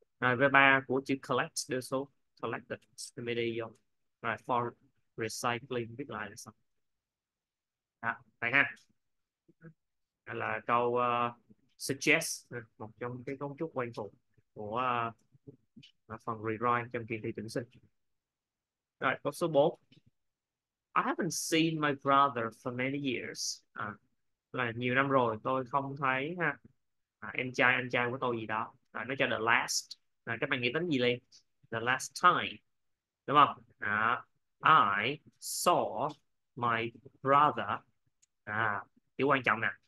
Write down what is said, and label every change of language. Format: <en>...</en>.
<vi>Rồi V3 của chữ collect đưa số</vi> <en>collected media for recycling</en> <vi>viết lại là xong. Đó, vậy ha. Là câu suggest, một trong cái cấu trúc quen thuộc của phần rewrite trong kỳ thi tuyển sinh. Rồi, câu số 4.</vi> <en>I haven't seen my brother for many years.</en> <vi>Là nhiều năm rồi tôi không thấy ha. Anh trai của tôi gì đó. Rồi, nó cho</vi> <en>the last.</en> <vi>Rồi, các bạn nghĩ đến gì lên?</vi> <en>The last time.</en> <vi>Đúng không?</vi> <en>I saw my brother.</en> <vi>Điều quan trọng nè.</vi>